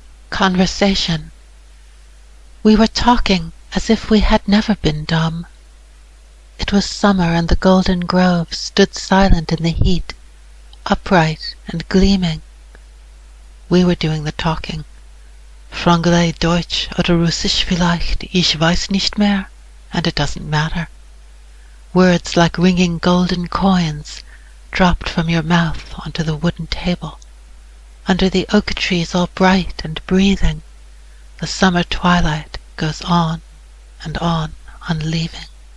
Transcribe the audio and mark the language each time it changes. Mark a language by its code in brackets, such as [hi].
[en] Conversation. We were talking as if we had never been dumb. It was summer, and the golden grove stood silent in the heat, upright and gleaming. We were doing the talking. [de] Franglais, Deutsch oder Russisch vielleicht, ich weiß nicht mehr, [en] and it doesn't matter. Words like ringing golden coins dropped from your mouth onto the wooden table. Under the oak trees all bright and breathing, the summer twilight goes on and on, unleaving.